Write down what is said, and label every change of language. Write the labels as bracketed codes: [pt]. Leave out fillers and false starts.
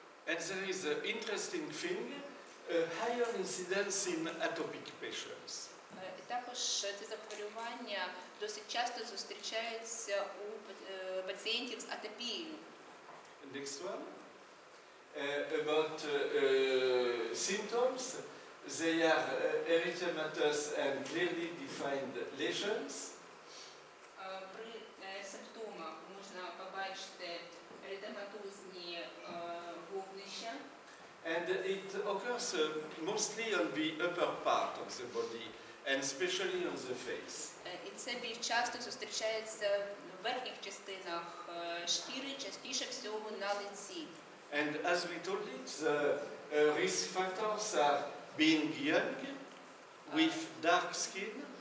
[en] And there is an interesting thing, higher incidence in atopic patients. [uk] Також це захворювання досить часто зустрічається у пацієнтів з атопією. [en] Next one. About symptoms. They are erythematous and clearly defined lesions. [uk] При симптомах можна побачити еритематозні вогнища. [en] And it occurs mostly on the upper part of the body. And especially on the face. [uk] І це більш часто зустрічається в верхніх частинах шкіри, частіше всього на лиці. [en] And as we told it, the risk factors are being young, with dark skin.